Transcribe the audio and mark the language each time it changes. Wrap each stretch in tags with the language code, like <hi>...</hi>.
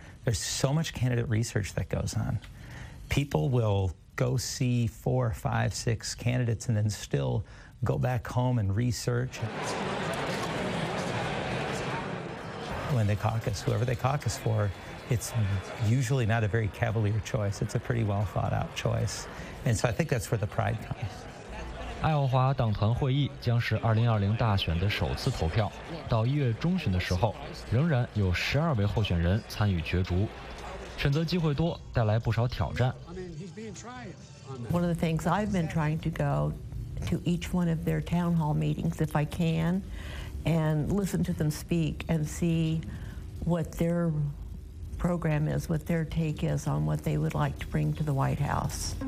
<en>There's so much candidate research that goes on. People will go see 4, 5, 6 candidates and then still go back home and research. When they caucus, whoever they caucus for, it's usually not a very cavalier choice. It's a pretty well thought out choice. And so I think that's where the pride comes.</en> <zh>爱奥华党团会议将是2020大选的首次投票。到一月中旬的时候，仍然有12位候选人参与角逐。选择机会多，带来不少挑战。</zh> <en>One of the things I've been trying to go to each one of their town hall meetings if I can. And listen to them speak and see what their program is, what their take is on what they would like to bring to the White House.</en>